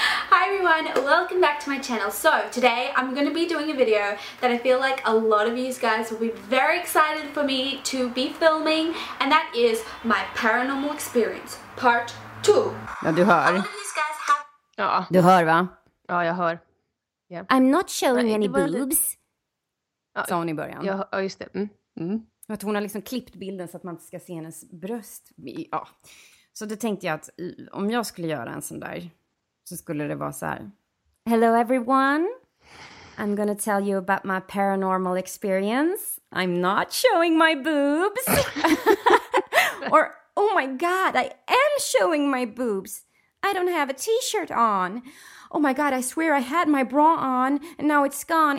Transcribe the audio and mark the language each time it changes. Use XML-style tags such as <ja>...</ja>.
<en>Hi everyone, welcome back to my channel. So today I'm going to be doing a video that I feel like a lot of you guys will be very excited for me to be filming, and that is my paranormal experience part 2.</en> <sv>Ja, du hör. Ja. Du hör, va? Ja, jag hör.</sv> <en>Yeah. I'm not showing any boobs.</en> <sv>Sa hon i början. Ja, just det. Mm. Att hon har liksom klippt bilden så att man inte ska se hennes bröst. Ja. Så då tänkte jag att om jag skulle göra en sån där, så skulle det vara så här.</sv> <en>Hello everyone. I'm gonna tell you about my paranormal experience. I'm not showing my boobs. Or, oh my god, I am showing my boobs. I don't have a t-shirt on. Oh my god, I swear I had my bra on and now it's gone.</en>